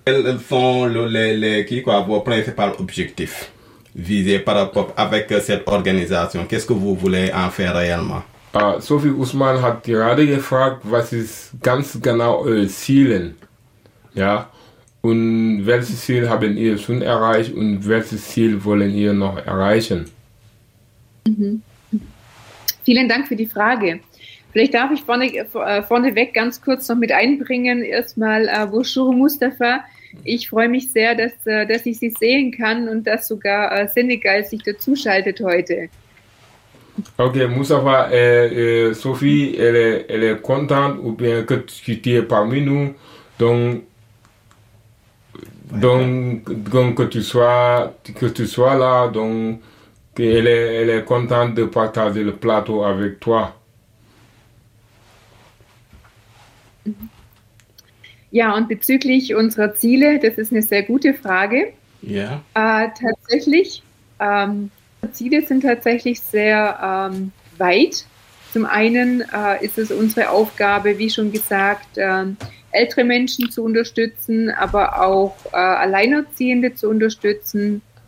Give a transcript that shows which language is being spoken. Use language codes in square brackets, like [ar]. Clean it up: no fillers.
[fr] Quels sont vos principaux objectifs? Visé par rapport avec cette organisation. Qu'est-ce que vous voulez en faire réellement? [de] Sophie Ousmane a gerade gefragt, was ist ganz genau euer Zielen? Ja? Und welches Ziel haben ihr schon erreicht und welches Ziel wollen ihr noch erreichen? Mhm. Vielen Dank für die Frage. Vielleicht darf ich vorneweg ganz kurz noch mit einbringen. Erstmal, bonjour Moustapha. Ich freue mich sehr, dass ich Sie sehen kann und dass sogar Senegal sich dazu schaltet heute. [fr] Ok, Moustapha, Sophie, elle est contente ou bien que tu es parmi nous. Donc que tu sois là, donc elle est contente de partager le plateau avec toi. [de] Ja, und bezüglich unserer Ziele, das ist eine sehr gute Frage. Ja. Tatsächlich, unsere Ziele sind tatsächlich sehr weit. Zum einen ist es unsere Aufgabe, wie schon gesagt, ältere Menschen zu unterstützen, aber auch Alleinerziehende zu unterstützen.